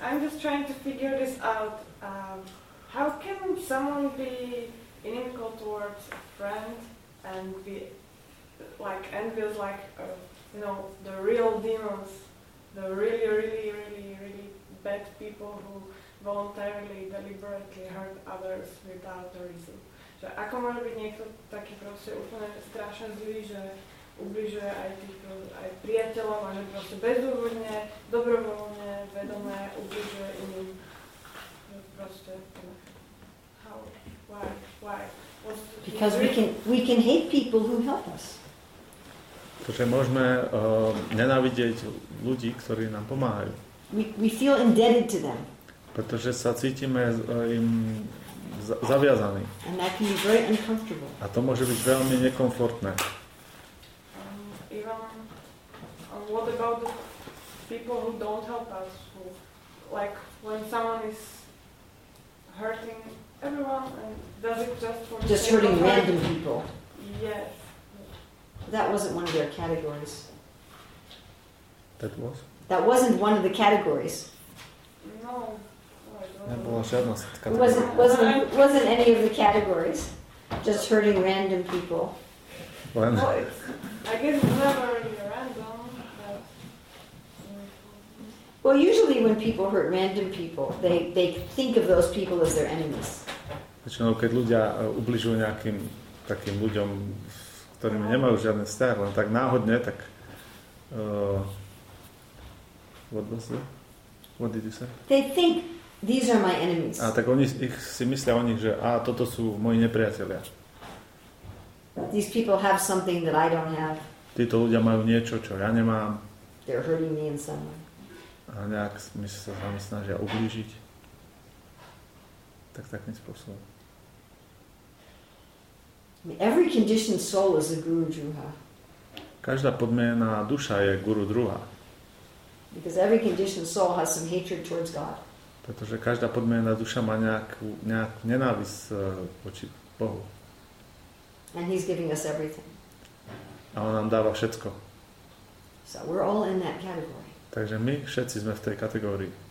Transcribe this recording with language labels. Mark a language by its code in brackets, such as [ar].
[en] I'm just trying to figure this out. How can someone be inimical towards a friend and be like envious, like you know, the real demons, the really, really, really, really bad people who voluntarily, deliberately hurt others without a reason? [sk] Že ako môže byť niekto taký proste úplne strašne zlý, že ubližuje aj týchto aj priateľom a že proste bezúvodne, dobrovoľne, vedomé ubližuje iným. Proste, [en] how, why? Because we can hate people who help us. [sk] Pretože môžeme nenávidieť ľudí, ktorí nám pomáhajú. [en] We feel indebted to them. [sk] Pretože sa cítime im zaviazaní. [en] And that can be very uncomfortable. [sk] A to môže byť veľmi nekomfortné. [en] Ivan, what about the people who don't help us? Like when someone is hurting everyone, and does it just for just hurting random people? Yes. That wasn't one of their categories. That was? That wasn't one of the categories. No. Wasn't any of the categories just hurting random people? When? I guess it's not really random. But... Well, usually when people hurt random people, they think of those people as their enemies. [sk] Väčšinou, keď ľudia ubližujú nejakým takým ľuďom, ktorými nemajú žiadny vzťah, len tak náhodne, tak... [en] What did you say? They think... These are my enemies. [sk] A tak oni ich si myslia o nich, že toto sú moji nepriatelia. [en] These people have something that I don't have. [sk] Títo ľudia majú niečo, čo ja nemám. [en] They're hurting me in some way. [sk] A nejak my sa s vami snažia ublížiť. Tak takým spôsobom. [en] Every conditioned soul is a guru druha. [sk] Každá podmienená duša je guru druha. [en] Because every conditioned soul has some hatred towards God. [sk] Pretože každá podmienená duša má nejakú nenávisť voči Bohu. [en] And he's giving us everything. [sk] A on nám dáva všetko. [en] So we're all in that category. [sk] Takže my všetci sme v tej kategórii.